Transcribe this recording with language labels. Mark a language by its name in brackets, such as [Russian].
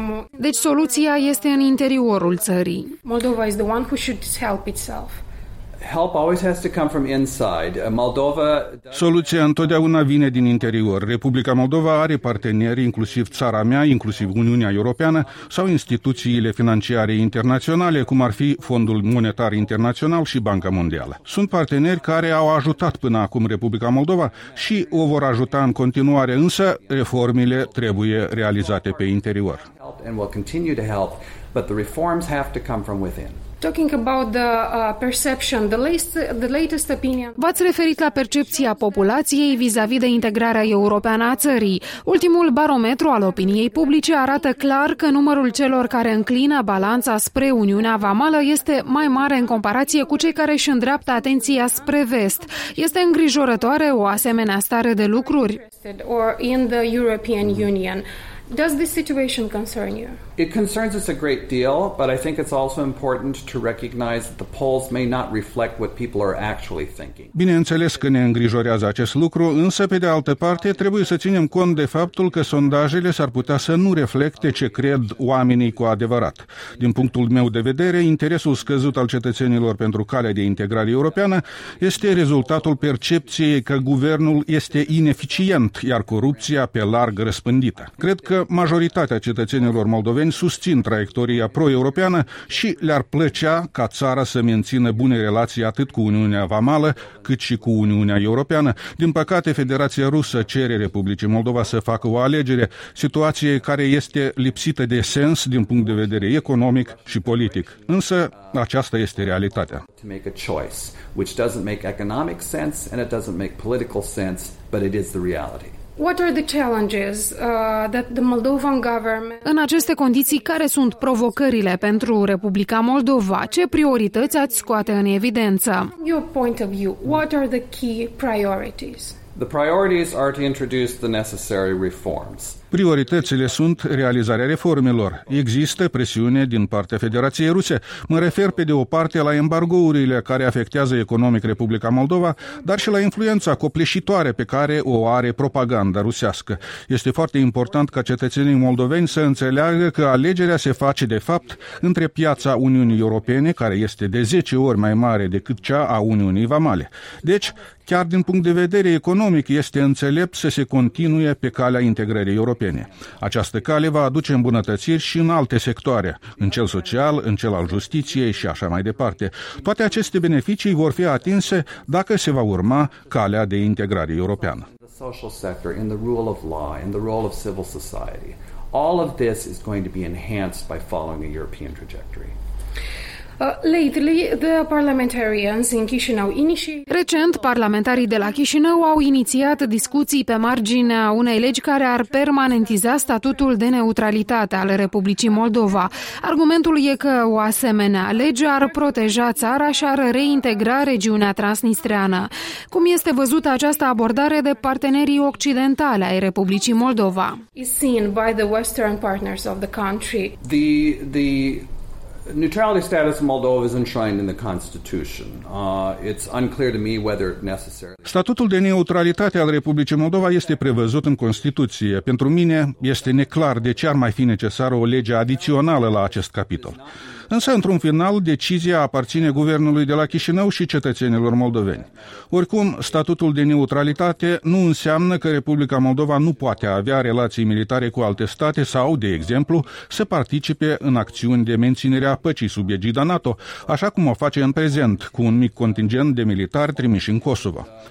[Romanian] Deci soluția este în interiorul țării. [English] Moldova is the one who should help itself. Help always has to come from inside. Moldova. [Romanian] Soluția întotdeauna vine din interior. Republica Moldova are parteneri, inclusiv țara mea, inclusiv Uniunea Europeană sau instituțiile financiare internaționale, cum ar fi Fondul Monetar Internațional și Banca Mondială. Sunt parteneri care au ajutat până acum Republica Moldova și o vor ajuta în continuare, însă reformele trebuie realizate pe interior. [English] And will continue to help, but the reforms have to come from within. Talking about the perception, the latest opinion. [Romanian] V-ați referit la percepția populației vis-a-vis de integrarea europeană a țării. Ultimul barometru al opiniei publice arată clar că numărul celor care înclină balanța spre Uniunea Vamală este mai mare în comparație cu cei care își îndreaptă atenția spre vest. Este îngrijorătoare o asemenea stare de lucruri? [English] Or in the European Union. Does this situation concern you? It concerns us a great deal, but I think it's also important to recognize that the polls may not reflect what people are actually thinking. [Romanian] Bineînțeles că ne îngrijorează acest lucru, însă pe de altă parte trebuie să ținem cont de faptul că sondajele s-ar putea să nu reflecte ce cred oamenii cu adevărat. Din punctul meu de vedere, interesul scăzut al cetățenilor pentru calea de integrare europeană este rezultatul percepției că guvernul este ineficient, iar corupția pe larg răspândită. Cred că majoritatea cetățenilor moldoveni susțin traiectoria pro-europeană și le-ar plăcea ca țara să mențină bune relații atât cu Uniunea Vamală, cât și cu Uniunea Europeană. Din păcate, Federația Rusă cere Republicii Moldova să facă o alegere, situație care este lipsită de sens din punct de vedere economic și politic. Însă, aceasta este realitatea. [English] To make a choice, which doesn't make economic sense and it doesn't make political sense, but it is the reality. What are the challenges that the Moldovan government? [Romanian] În aceste condiții, care sunt provocările pentru Republica Moldova? Ce priorități ați scoate în evidență? [English] From your point of view, what are the key priorities? The priorities are to introduce the necessary reforms. [Romanian] Prioritățile sunt realizarea reformelor. Există presiune din partea Federației Ruse. Mă refer pe de o parte la embargourile care afectează economic Republica Moldova, dar și la influența copleșitoare pe care o are propaganda rusească. Este foarte important ca cetățenii moldoveni să înțeleagă că alegerea se face de fapt între piața Uniunii Europene, care este de 10 ori mai mare decât cea a Uniunii Vamale. Deci, chiar din punct de vedere economic, este înțelept să se continue pe calea integrării europene. Această cale va aduce îmbunătățiri și în alte sectoare, în cel social, în cel al justiției și așa mai departe. Toate aceste beneficii vor fi atinse dacă se va urma calea de integrare europeană. [English] Social sector, in the rule of law, in the role of civil society. All of this is going to be enhanced by following a European trajectory. Lately, the parliamentarians in Chișinău initiate... [Romanian] Recent, parlamentarii de la Chișinău au inițiat discuții pe marginea unei legi care ar permanentiza statutul de neutralitate al Republicii Moldova. Argumentul e că o asemenea lege ar proteja țara și ar reintegra regiunea transnistreană. Cum este văzută această abordare de partenerii occidentale ai Republicii Moldova? [English] It's seen by the Western partners of the country. The neutrality status of Moldova is enshrined in the Constitution. It's unclear to me whether necessary. [Romanian] Statutul de neutralitate al Republicii Moldova este prevăzut în Constituție. Pentru mine este neclar de ce ar mai fi necesară o lege adițională la acest capitol. Însă, într-un final, decizia aparține guvernului de la Chișinău și cetățenilor moldoveni. Oricum, statutul de neutralitate nu înseamnă că Republica Moldova nu poate avea relații militare cu alte state sau, de exemplu, să participe în acțiuni de menținere a păcii sub egida NATO, așa cum o face în prezent, cu un mic contingent de militari trimiși în Kosovo.